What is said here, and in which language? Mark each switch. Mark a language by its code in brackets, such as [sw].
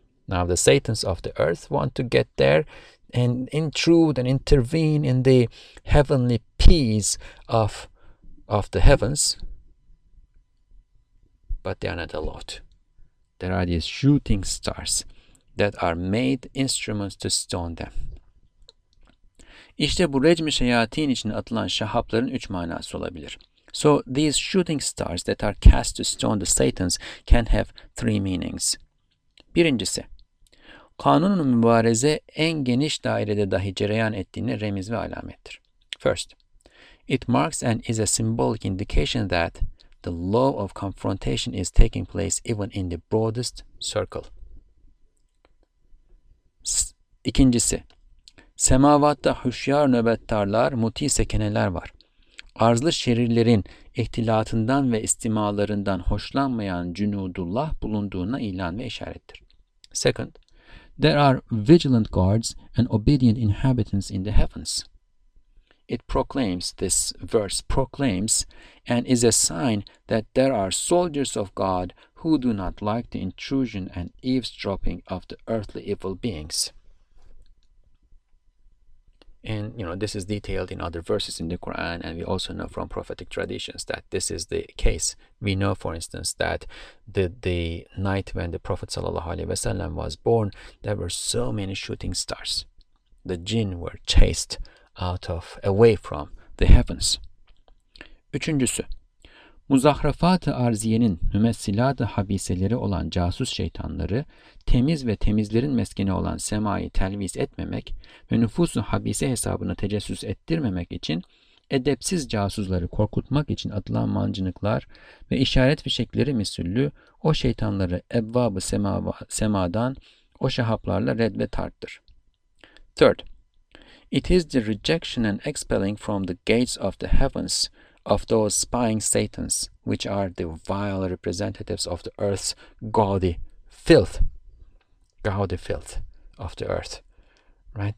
[en] Now the Satans of the earth want to get there and intrude and intervene in the heavenly peace of the heavens. But they are not allowed. There are these shooting stars that are made instruments to stone them. [tr] İşte bu rejim-i şeyatin içine atılan şahapların üç manası olabilir. [en] So these shooting stars that are cast to stone the Satans can have three meanings. [tr] Birincisi, kanun-u mübareze en geniş dairede dahi cereyan ettiğine remiz ve alamettir. [en] First, it marks and is a symbolic indication that the law of confrontation is taking place even in the broadest circle. [tr] İkincisi, semavatta hüşyar nöbettarlar, muti sekeneler var. Arzlı şerirlerin ihtilatından ve istimalarından hoşlanmayan cünudullah bulunduğuna ilan ve işarettir. [en] Second, There are vigilant guards and obedient inhabitants in the heavens. It proclaims, this verse proclaims, and is a sign that there are soldiers of God who do not like the intrusion and eavesdropping of the earthly evil beings. And, you know, this is detailed in other verses in the Quran, and we also know from prophetic traditions that this is the case. We know, for instance, that the night when the Prophet ﷺ was born, there were so many shooting stars. The jinn were chased away from the heavens. [tr] Üçüncüsü, muzahrafat-ı arziyenin mümessilat-ı habiseleri olan casus şeytanları, temiz ve temizlerin meskeni olan semayı telviz etmemek ve nüfus-ı habise hesabını tecessüs ettirmemek için, edepsiz casusları korkutmak için atılan mancınıklar ve işaret fişekleri misüllü o şeytanları ebvab-ı semadan o şahaplarla red ve tarttır. [en] Third, it is the rejection and expelling from the gates of the heavens of those spying satans, which are the vile representatives of the earth's gaudy filth of the earth. Right?